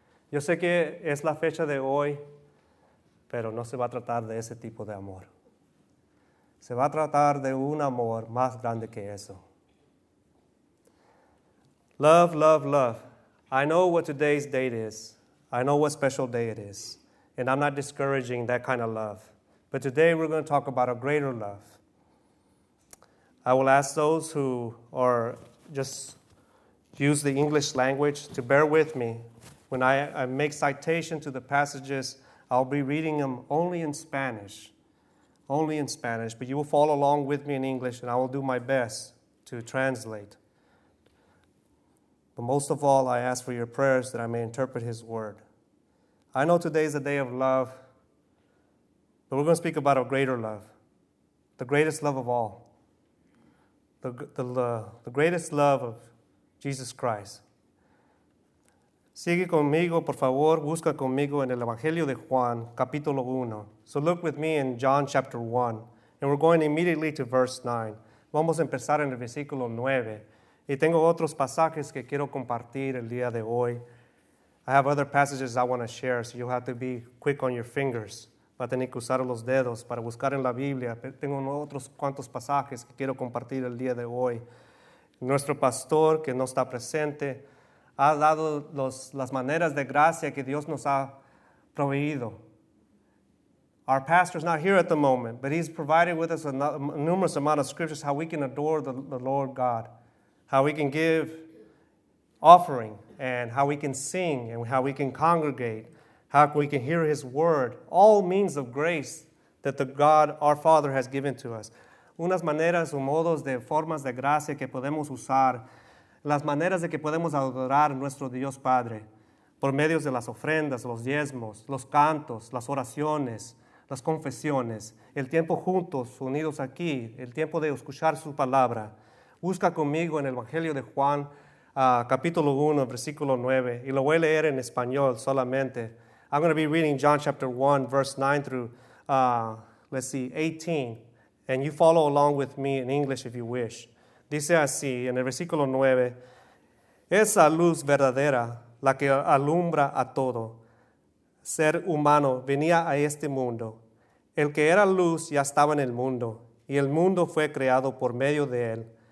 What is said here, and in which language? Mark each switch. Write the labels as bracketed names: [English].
[Spanish] Yo sé que es la fecha de hoy, pero no se va a tratar de ese tipo de amor. Se va a tratar de un amor más grande que eso. [English] Love, love, love. I know what today's date is. I know what special day it is. And I'm not discouraging that kind of love. But today we're going to talk about a greater love. I will ask those who are just use the English language to bear with me. When I make citation to the passages, I'll be reading them only in Spanish. Only in Spanish. But you will follow along with me in English, and I will do my best to translate. But most of all, I ask for your prayers that I may interpret his word. I know today is a day of love, but we're going to speak about a greater love, the greatest love of all, the greatest love of Jesus Christ. [Spanish] Sigue conmigo, por favor, busca conmigo en el Evangelio de Juan, capítulo 1. [English] So look with me in John chapter 1, and we're going immediately to verse 9. [Spanish] Vamos a empezar en el versículo 9. Y tengo otros pasajes que quiero compartir el día de hoy. [English] I have other passages I want to share, so you'll have to be quick on your fingers. [Spanish] Va a tener que usar los dedos para buscar en la Biblia. Tengo otros cuantos pasajes que quiero compartir el día de hoy. Nuestro pastor, que no está presente, ha dado las maneras de gracia que Dios nos ha proveído. [English] Our pastor is not here at the moment, but he's provided with us a numerous amount of scriptures how we can adore the Lord God. How we can give offering, and how we can sing, and how we can congregate, how we can hear his word, all means of grace that the God, our Father, has given to us. [Spanish] Unas maneras o modos de formas de gracia que podemos usar, las maneras de que podemos adorar a nuestro Dios Padre, por medio de las ofrendas, los diezmos, los cantos, las oraciones, las confesiones, el tiempo juntos, unidos aquí, el tiempo de escuchar su palabra. Busca conmigo en el Evangelio de Juan, capítulo 1, versículo 9. Y lo voy a leer en español solamente. [English] I'm going to be reading John chapter 1, verse 9 through, 18. And you follow along with me in English if you wish. [Spanish] Dice así, en el versículo 9. Esa luz verdadera, la que alumbra a todo ser humano, venía a este mundo. El que era luz ya estaba en el mundo. Y el mundo fue creado por medio de él.